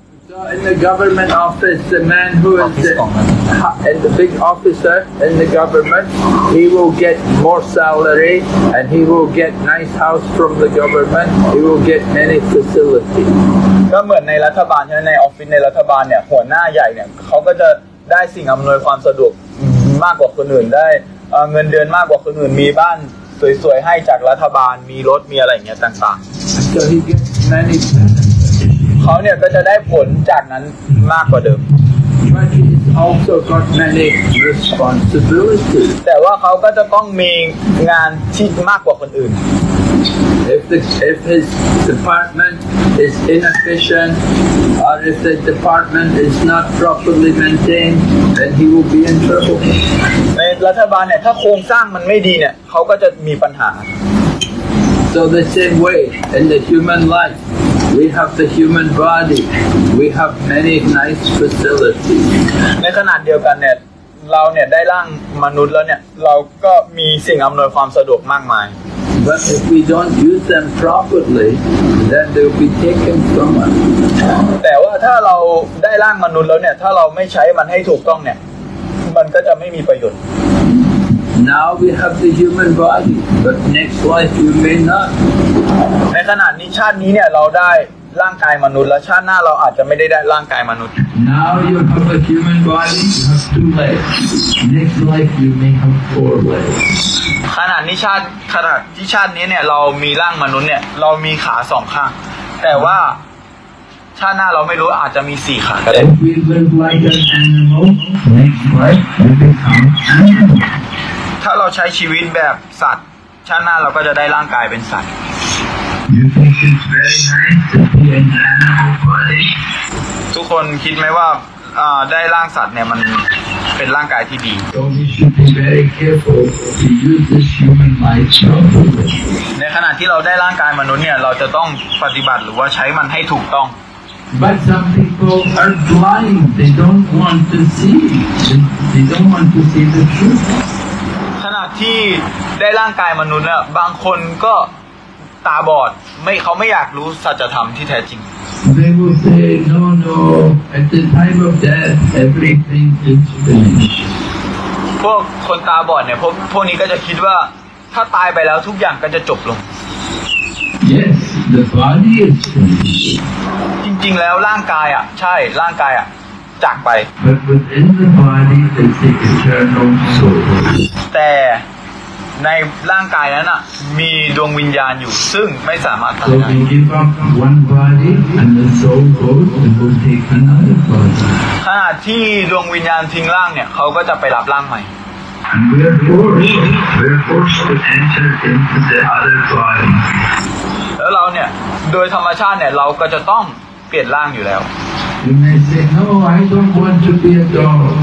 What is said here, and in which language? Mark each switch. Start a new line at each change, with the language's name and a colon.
English: So in the government office the man who is the big officer in the government he will get more salary and he will get nice house from the government he will get many facilities
Thai: ก็เหมือนในรัฐบาลในออฟฟิศในรัฐบาลเนี่ยหัวหน้าใหญ่เนี่ยเขาก็จะได้สิ่งอำนวยความสะดวกมากกว่าคนอื่นได้เงินเดือนมากกว่าคนอื่นมีบ้านสวยๆให้จากรัฐบาลมีรถมีอะไรเงี้ยต่างๆ
English: so he gets many
Thai: เขาเนี่ยก็จะได้ผลจากนั้นมากกว่าเดิม
English: But he is also got many responsibilities.
Thai: แต่ว่าเขาก็จะต้องมีงานที่มากกว่าคนอื่น
English: If his department is inefficient, or if the department is not properly maintained, then he will be in trouble.
Thai: ในรัฐบาลเนี่ยถ้าโครงสร้างมันไม่ดีเนี่ยเขาก็จะมีปัญหา
English: So the same way in the human life. We have the human body. We have many nice facilities.
Thai: ในขณะเดียวกันเนี่ยเราเนี่ยได้ร่างมนุษย์แล้วเนี่ยเราก็มีสิ่งอำนวยความสะดวกมากมาย
English: But if we don't use them properly, then they will be taken from us.
Thai: แต่ว่าถ้าเราได้ร่างมนุษย์แล้วเนี่ยถ้าเราไม่ใช้มันให้ถูกต้องเนี่ยมันก็จะไม่มีประโยชน์
English: Now we have the human body, but next life you may not.
Thai: ในขณะนี้ชาตินี้เนี่ยเราได้ร่างกายมนุษย์แล้วชาติหน้าเราอาจจะไม่ได้ร่างกายมนุษย์
English: Now you have a human body, you have two legs. Next life you may have four legs.
Thai: ขณะที่ชาตินี้เนี่ยเรามีร่างมนุษย์เนี่ยเรามีขาสองข้างแต่ว่าชาติหน้าเราไม่รู้อาจจะมีสี่ขาก็ได้
English: If we live like an animal, next life we become animal.
Thai: ถ้าเราใช้ชีวิตแบบสัตว์ชาติหน้าเราก็จะได้ร่างกายเป็นสัตว์
English: You think it's very nice to be an animal body?
Thai: ทุกคนคิดไหมว่าได้ร่างสัตว์เนี่ยมันเป็นร่างกายที่ดี
English: So we should be very careful to use this human life properly.
Thai: ในขณะที่เราได้ร่างกายมนุษย์เนี่ยเราจะต้องปฏิบัติหรือว่าใช้มันให้ถูกต้อง
English: But some people are blind. They don't want to see. They don't want to see the truth.
Thai: ขณะที่ได้ร่างกายมนุษย์เนี่ยบางคนก็ตาบอดไม่เขาไม่อยากรู้สัจธรรมที่แท้จริง
English: They will say no no at the time of death everything is finished
Thai: พวกคนตาบอดเนี่ยพวกนี้ก็จะคิดว่าถ้าตายไปแล้วทุกอย่างก็จะจบลง
English: Yes the body is finished
Thai: จริงๆแล้วร่างกายอ่ะใช่ร่างกายอ่ะจากไป
English: But within the body is the eternal soul
Thai: แต่ในร่างกายนั้นน่ะมีดวงวิญญาณอยู่ซึ่งไม่สามารถทำได้
English: So we give up one body and the soul goes and will take another body
Thai: ขณะที่ดวงวิญญาณทิ้งร่างเนี่ยเขาก็จะไปรับร่างใหม่
English: And we're forced to enter into the other body
Thai: แล้วเราเนี่ยโดยธรรมชาติเนี่ยเราก็จะต้องเปลี่ยนร่างอยู่แล้ว
English: You may say no I don't want to be a dog